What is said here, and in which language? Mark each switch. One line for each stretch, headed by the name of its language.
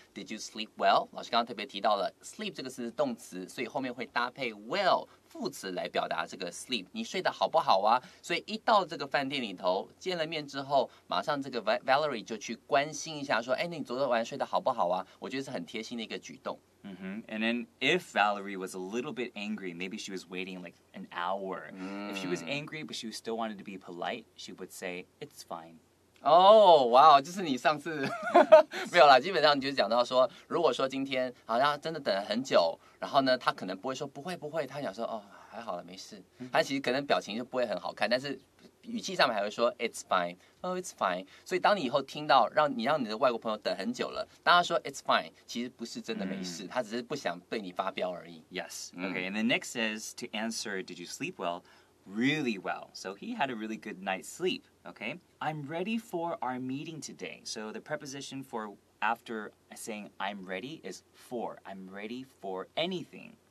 English: Did you sleep well？
Chinese: 老师刚刚特别提到了 sleep 这个词是动词，所以后面会搭配 well。副词来表达这个 sleep， 你睡得好不好啊？所以一到这个饭店里头，见了面之后，马上这个 Valerie 就去关心一下，说：“哎，你昨天晚上睡得好不好啊？” 我觉得是很贴心的一个举动。 Mm-hmm.
English: And then if Valerie was a little bit angry, maybe she was waiting like an hour. If she was angry but she still wanted to be polite, she would say, "It's fine."
Chinese: Oh, wow, 就是你上次没有啦，基本上你就讲到说，如果说今天好像真的等了很久，然后呢，他可能不会说不会不会，他想说哦，还好了，没事。他其实可能表情就不会很好看，但是语气上面还会说
English: it's fine, oh, it's fine.
Chinese: 所以当你以后听到让你的外国朋友等很久了，当他说
English: it's fine,
Chinese: 其实不是真的没事，他只是不想对你发飙而已。
English: Yes, okay, and the next is to answer, did you sleep well? Really well. So he had a really good night's sleep, okay? I'm ready for our meeting today. So the preposition for after saying I'm ready is for. I'm ready for anything,